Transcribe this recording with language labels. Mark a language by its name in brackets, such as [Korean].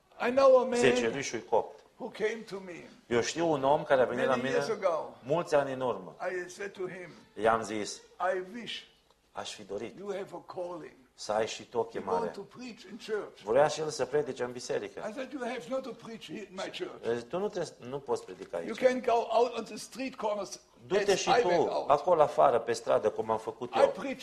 [English] I know a man. [Romanian] Secerișul e copt. [English] Who came to me? [Romanian] Eu știu un om care a venit la mine. Mulți ani în urmă. [English] I said to him. [Romanian] I-am zis. [English] I wish. [Romanian] Aș fi dorit. [English] You have a calling. [Romanian] Să ai și tu o chemare. [English] To preach in church. [Romanian] Vrea și el să predice în biserică. [English] I said you have not to preach in my church. [Romanian] Tu nu poți predica aici. [English] You can go out on the street corners. [Romanian] Du-te și tu acolo afară, pe stradă, cum am făcut eu.